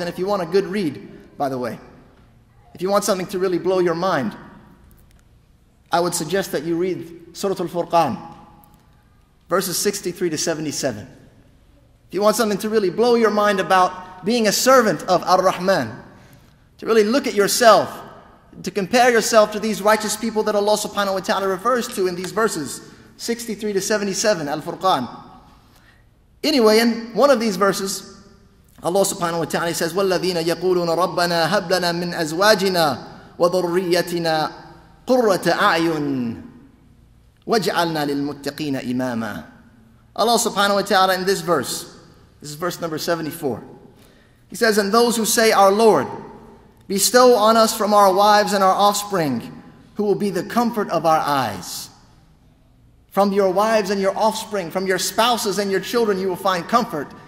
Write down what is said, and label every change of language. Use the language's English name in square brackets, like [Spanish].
[English] And if you want a good read, by the way, if you want something to really blow your mind, I would suggest that you read Surah Al-Furqan, verses 63 to 77. If you want something to really blow your mind about being a servant of Ar-Rahman, to really look at yourself, to compare yourself to these righteous people that Allah subhanahu wa ta'ala refers to in these verses, 63 to 77, Al-Furqan. Anyway, in one of these verses, Allah subhanahu wa ta'ala says, [Arabic] وَالَّذِينَ يَقُولُونَ رَبَّنَا هَبْ لَنَا مِنْ أَزْوَاجِنَا وَذُرِّيَّتِنَا قُرَّةَ أَعْيُنٍ وَجْعَلْنَا لِلْمُتَّقِينَ إِمَامًا. [English] Allah subhanahu wa ta'ala in this verse, this is verse number 74. He says, and those who say, our Lord, bestow on us from our wives and our offspring, who will be the comfort of our eyes. From your wives and your offspring, from your spouses and your children, you will find comfort.